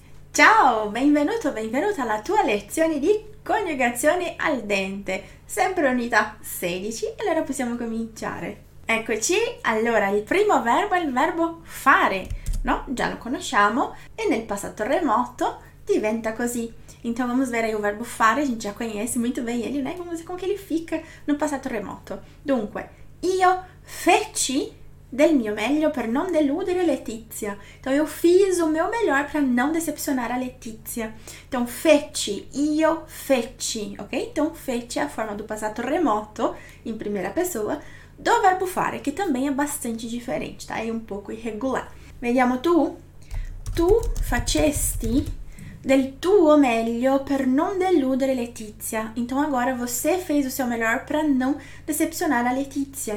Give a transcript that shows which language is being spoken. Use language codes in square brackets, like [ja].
[it] Ciao, benvenuto, benvenuta alla tua lezione di coniugazione al dente, sempre unità 16, allora possiamo cominciare. Eccoci, allora il primo verbo è il verbo fare, no? Già lo conosciamo e nel passato remoto diventa così. [pt] Então vamos ver aí o verbo fare, a gente já conhece muito bem ele, né? Vamos ver como que ele fica no passato remoto. [it] Dunque, io feci del mio meglio per non deludere Letizia. [pt] Então, eu fiz o meu melhor para não decepcionar a Letizia. Então, feci, [it] io feci, [pt] ok? Então, feci é a forma do passato remoto, em primeira pessoa, do verbo fare, que também é bastante diferente, tá? É um pouco irregular. [it] Vediamo tu facesti del tuo meglio per non deludere Letizia. [pt] Então, agora você fez o seu melhor para não decepcionar a Letizia.